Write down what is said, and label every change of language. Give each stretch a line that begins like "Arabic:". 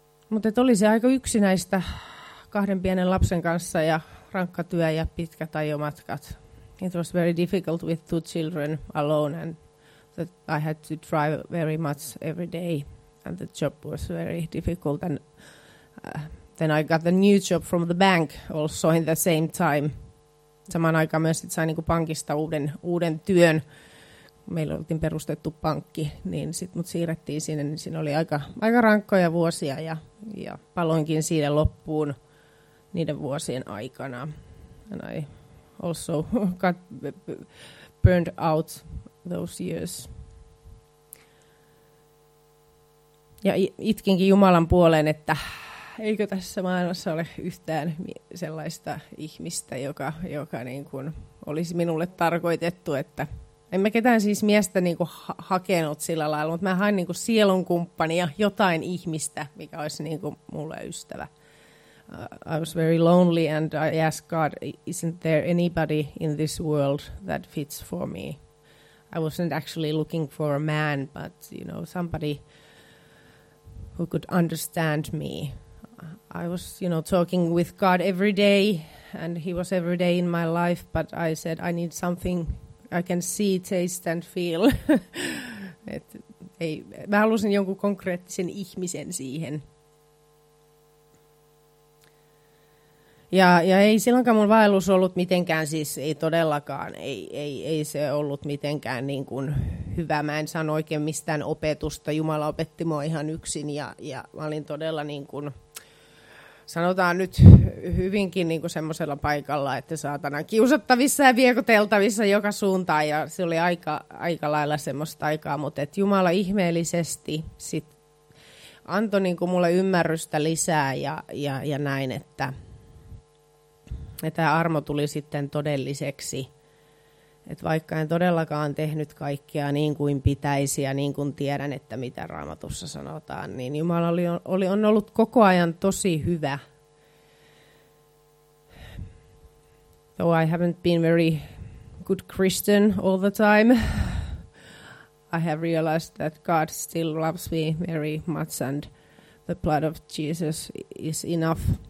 Finnish: Mutta oli se aika yksinäistä kahden pienen lapsen kanssa ja rankka työ ja pitkät ajomatkat.
English: It was very difficult with 2 children alone, and that I had to drive very much every day, and the job was very difficult. And then I got the new job from the bank also in the same time.
Finnish: Samaan aikaan myös sit sain niinku pankista uuden työn. Meillä oltiin perustettu pankki, niin sit mut siirrettiin sinne, niin siinä oli aika rankkoja vuosia ja paloinkin siinä loppuun niiden vuosien aikana.
English: And I also got burned out those years.
Finnish: Ja itkinkin Jumalan puoleen, että eikö tässä maailmassa ole yhtään sellaista ihmistä, joka niin kuin olisi minulle tarkoitettu. Että en mä ketään siis miestä niin kuin hakenut sillä lailla, mutta mä hain niin kuin sielun kumppania, jotain ihmistä, mikä olisi niin kuin mulle ystävä.
English: I was very lonely, and I asked God, isn't there anybody in this world that fits for me? I wasn't actually looking for a man, but you know, somebody who could understand me. I was, you know, talking with God every day, and he was every day in my life, but I said, I need something I can see, taste and feel.
Finnish: Mä halusin jonkun konkreettisen ihmisen siihen. Ja ei silloinkaan mun vaellus ollut mitenkään, siis ei todellakaan, ei se ollut mitenkään niin kuin hyvä. Mä en saanut oikein mistään opetusta, Jumala opetti mua ihan yksin ja mä olin todella niin kuin, sanotaan nyt hyvinkin niin kuin semmoisella paikalla, että saatana kiusattavissa ja viekoteltavissa joka suuntaan ja se oli aika lailla semmoista aikaa, mutta et Jumala ihmeellisesti sit antoi niin kuin mulle ymmärrystä lisää ja näin, että tämä armo tuli sitten todelliseksi, että vaikka en todellakaan tehnyt kaikkea niin kuin pitäisi ja niin kuin tiedän, että mitä Raamatussa sanotaan, niin Jumala on ollut koko ajan tosi hyvä.
English: Though I haven't been very good Christian all the time, I have realized that God still loves me very much and the blood of Jesus is enough.